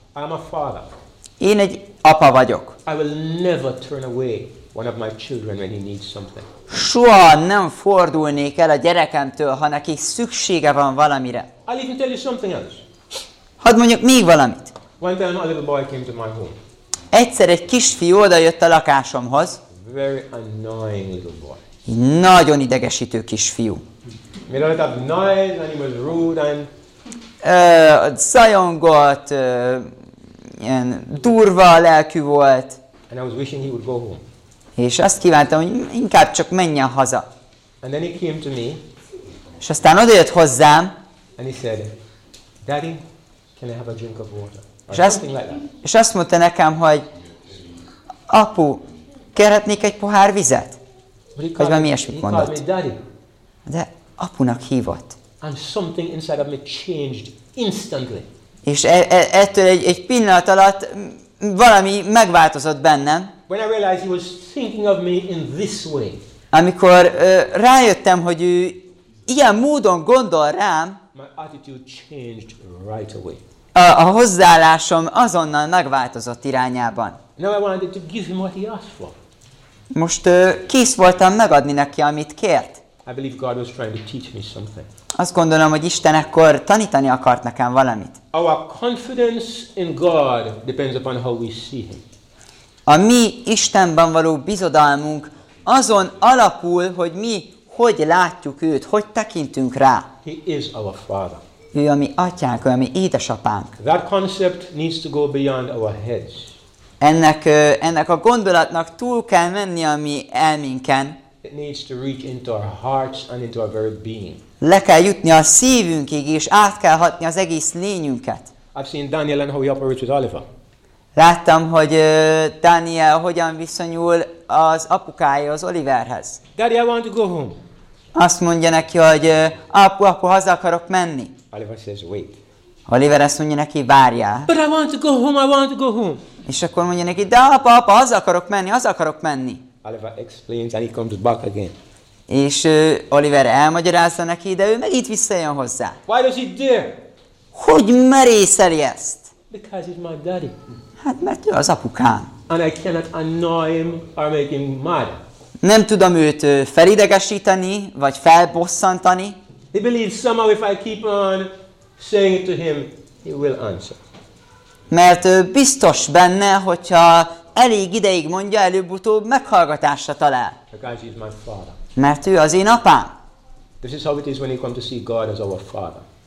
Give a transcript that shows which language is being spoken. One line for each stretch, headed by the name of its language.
English: I'm a father.
Hungarian: Én egy apa vagyok.
English: I will never turn away one of my children when he needs something.
Hungarian: Soha nem fordulnék el a gyerekemtől, ha neki szüksége van valamire.
English: I'll even tell you something else.
Hungarian: Hadd mondjak még valamit.
English: One time a little boy came to my home.
Hungarian: Egyszer egy kisfiú odajött a lakásomhoz.
English: Very annoying little boy.
Hungarian: Nagyon idegesítő kisfiú.
English: Made a lot of noise and he was rude and...
Hungarian: Zajongott, ilyen durva lelkű volt.
English: And I was wishing he would go home.
Hungarian: És azt kívántam, hogy inkább csak menjen haza.
English: And then he came to me.
Hungarian: És aztán odajött hozzám.
English: And he said, Daddy, can I have a drink of water? Or something like that.
Hungarian: És azt mondta nekem, hogy apu, kérhetnék egy pohár vizet? Hogy valami ilyesmit mondott. De apunak hívott.
English: And something inside of me changed instantly.
Hungarian: És ettől egy pillanat alatt valami megváltozott bennem.
English: When I realized he was thinking of me in this way.
Hungarian: Amikor rájöttem, hogy ő ilyen módon gondol rám,
English: my attitude changed right away.
Hungarian: A hozzáállásom azonnal megváltozott irányában.
English: Now I wanted to give him what he asked for.
Hungarian: Most kész voltam megadni neki, amit kért.
English: I believe God was trying to teach me something.
Hungarian: Azt gondolom, hogy Isten ekkor tanítani akart nekem valamit.
English: Our confidence in God depends upon how we see him.
Hungarian: A mi Istenben való bizodalmunk azon alapul, hogy mi hogy látjuk őt, hogy tekintünk rá.
English: He is our Father.
Hungarian: Ő a mi atyánk, ő a mi édesapánk.
English: That concept needs to go beyond our heads.
Hungarian: Ennek a gondolatnak túl kell menni a mi elménken.
English: It needs to reach into our hearts and into our very being.
Hungarian: Le kell jutni a szívünkig, és át kell hatni az egész lényünket.
English: I've seen Daniel and how he operates with Oliver.
Hungarian: Láttam, hogy Daniel hogyan viszonyul az apukájához, Oliverhez.
English: Daddy, I want to go home.
Hungarian: Azt mondja neki, hogy apu, haza akarok menni.
English: Oliver says, wait.
Hungarian: Oliver azt mondja neki, várjál.
English: But I want to go home, I want to go home.
Hungarian: És akkor mondja neki, de apa, haza akarok menni, haza akarok menni.
English: Oliver explains and he comes back again.
Hungarian: És Oliver elmagyarázza neki, de ő meg itt visszajön hozzá.
English: Why does he dare?
Hungarian: Hogy merészeli ezt?
English: Because he's my daddy.
Hungarian: Hát mert ő az apukám.
English: And I cannot annoy him or make him mad.
Hungarian: Nem tudom őt felidegesíteni, vagy felbosszantani.
English: He believes somehow if I keep on saying it to him, he will answer.
Hungarian: Mert biztos benne, hogyha elég ideig mondja, előbb-utóbb meghallgatásra talál.
English: Because he's my father.
Hungarian: Mert ő az én apám.
English: This is how it is when you come to see God as our father.